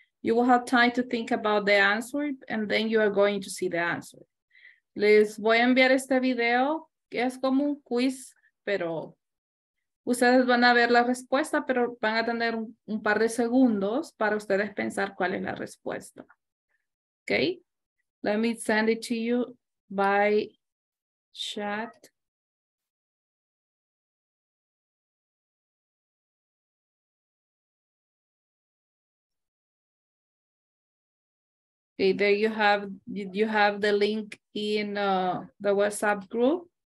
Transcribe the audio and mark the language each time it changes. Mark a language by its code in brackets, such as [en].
[en] You will have time to think about the answer and then you are going to see the answer. [es] Les voy a enviar este video, que es como un quiz, pero ustedes van a ver la respuesta, pero van a tener un par de segundos para ustedes pensar cuál es la respuesta, okay? [en] Let me send it to you by chat. Okay, there you have the link in the WhatsApp group.